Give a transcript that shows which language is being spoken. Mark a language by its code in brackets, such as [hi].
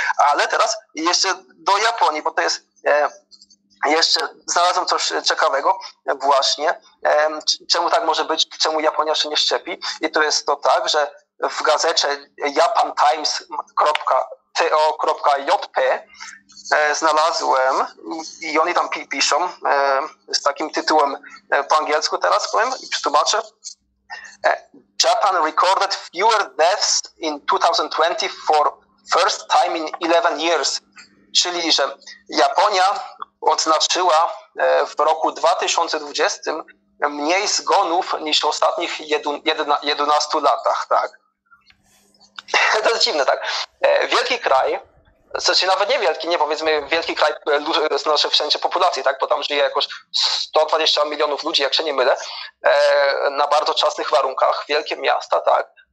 [pl] Ale teraz jeszcze do Japonii, bo to jest jeszcze znalazłem coś ciekawego właśnie, czemu tak może być, czemu Japonia się nie szczepi. I to jest to tak, że w gazecie japantimes.co.jp znalazłem i oni tam piszą z takim tytułem po angielsku, teraz powiem i przetłumaczę. [en] Japan recorded fewer deaths in 2020 for first time in 11 years. [pl] Czyli, że Japonia odznaczyła w roku 2020 mniej zgonów niż w ostatnich 11 latach, tak? To jest dziwne, tak? Wielki kraj, znaczy nawet niewielki, nie powiedzmy wielki kraj, znaczy w sensie populacji, tak? Bo tam żyje jakoś 120 milionów ludzi, jak się nie mylę, na bardzo ciasnych warunkach, wielkie miasta, tak?